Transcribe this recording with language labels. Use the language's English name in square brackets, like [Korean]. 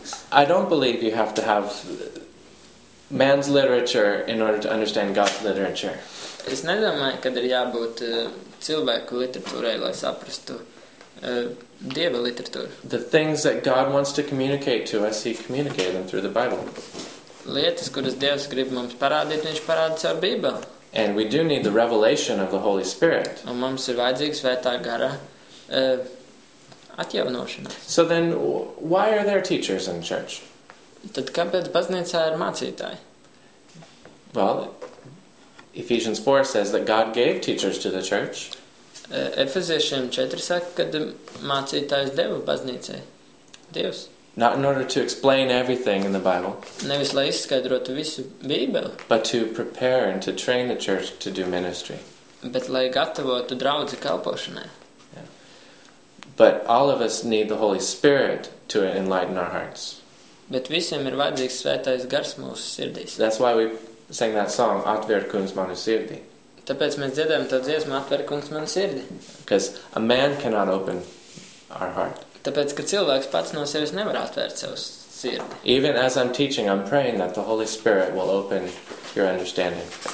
[English] I don't believe you have to have man's literature in order to understand God's literature. [Latvian] Es nedomāju, kad ir jābūt cilvēku literatūrai, lai saprastu Dieva literatūru. [English] The things that God wants to communicate to us, he communicates them through the Bible. [Latvian] Lietas, kuras Dievs grib mums parādīt, viņš parāda savu Bībeli. [English] And we do need the revelation of the Holy Spirit. [Latvian] Un mums ir vajadzīga Svētā gara atjaunošana. [English] So then, why are there teachers in church? [Latvian] Tad kāpēc baznīcā ir mācītāji? [English] Well, Ephesians 4 says that God gave teachers to the church. [Latvian] Efeziešiem 4 saka, kad mācītājs deva baznīcai. Dievs. [English] Not in order to explain everything in the Bible. [Latvian] Nevis lai izskaidrotu visu Bībeli. [English] But to prepare and to train the church to do ministry. [Latvian] Bet lai gatavotu draudzi kalpošanai. [English] But all of us need the Holy Spirit to enlighten our hearts. [Latvian] Bet visiem ir vajadzīgs svētais gars mūsu sirdīs. [English] That's why we sang that song, [Latvian] Atver kungs manu sirdi. Tāpēc mēs dziedām to dziesmu, Atver kungs manu sirdi. [English] Because a man cannot open our heart. [Latvian] Tāpēc, ka cilvēks pats no sevis nevar atvērt savu sirdi. [English] Even as I'm teaching, I'm praying that the Holy Spirit will open your understanding.